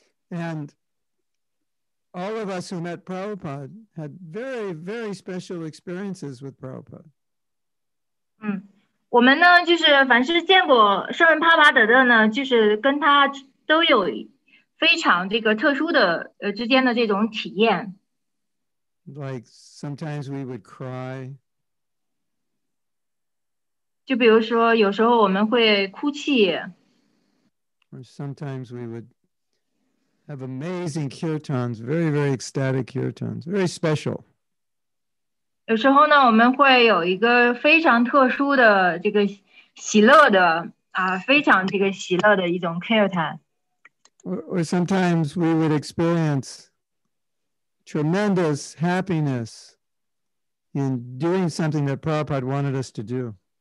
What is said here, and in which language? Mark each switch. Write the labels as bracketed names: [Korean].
[English] And all of us who met Prabhupada had very, very special experiences with Prabhupada. [Chinese] 我们呢，就是凡是见过圣人帕巴德的呢，就是跟他都有非常这个特殊的之间的这种体验。 [English] Like sometimes we would cry. [Chinese] 就比如说，有时候我们会哭泣。 [English] Or sometimes we would have amazing kirtans, very, very ecstatic kirtans, very special. [Chinese] 有时候呢，我们会有一个非常特殊的这个喜乐的啊，非常这个喜乐的一种 kirtan. [English] Or sometimes we would experience tremendous happiness in doing something that Prabhupada wanted us to do.